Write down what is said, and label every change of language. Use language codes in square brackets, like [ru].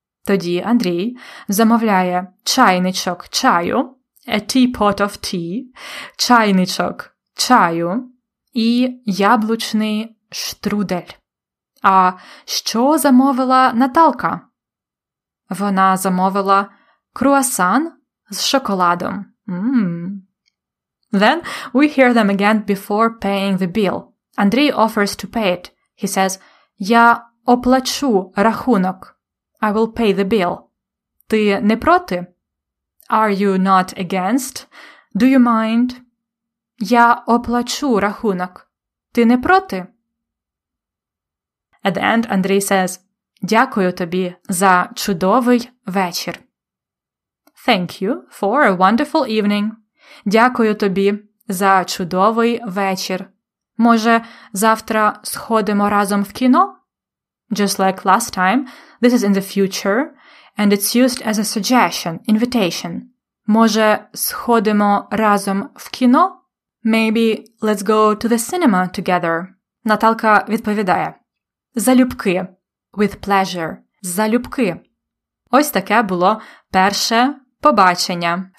[uk] Тоді Андрій замовляє чайничок чаю, [en] a teapot of tea, [uk] чайничок чаю і яблучний штрудель. А що замовила Наталка? Вона замовила круасан з шоколадом. [en] Then we hear them again before paying the bill. Андрій offers to pay it. He says, [uk] я оплачу рахунок. [en] I will pay the bill. [uk] Ти не проти? [en] Are you not against? Do you mind? [uk] Я оплачу рахунок. Ти не проти? [en] At the end, Андрій says, [uk] дякую тобі за чудовий вечір. [en] Thank you for a wonderful evening. [uk] Дякую тобі за чудовий вечір. Може, завтра сходимо разом в кіно? [en] Just like last time, this is in the future, and it's used as a suggestion, invitation. [uk] Може, сходимо разом в кіно? [en] Maybe let's go to the cinema together. [uk] Наталка відповідає: залюбки. [en] With pleasure. [uk] Залюбки. Ось таке було перше побачення.